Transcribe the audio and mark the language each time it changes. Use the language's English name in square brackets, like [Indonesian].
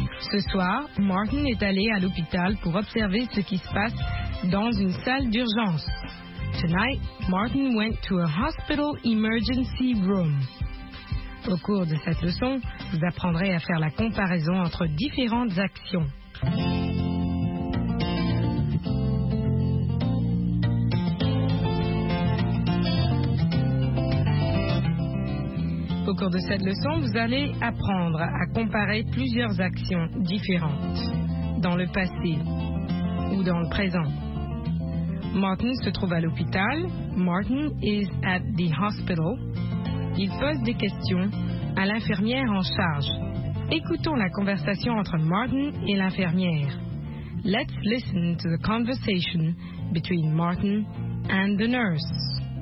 [French] Ce soir, Martin est allé à l'hôpital pour observer ce qui se passe dans une salle d'urgence. [English] Tonight, Martin went to a hospital emergency room. [French] Au cours de cette leçon, vous apprendrez à faire la comparaison entre différentes actions. Au cours de cette leçon, vous allez apprendre à comparer plusieurs actions différentes dans le passé ou dans le présent. Martin se trouve à l'hôpital. [English] Martin is at the hospital. [French] Il pose des questions à l'infirmière en charge. Écoutons la conversation entre Martin et l'infirmière. [English] Let's listen to the conversation between Martin and the nurse.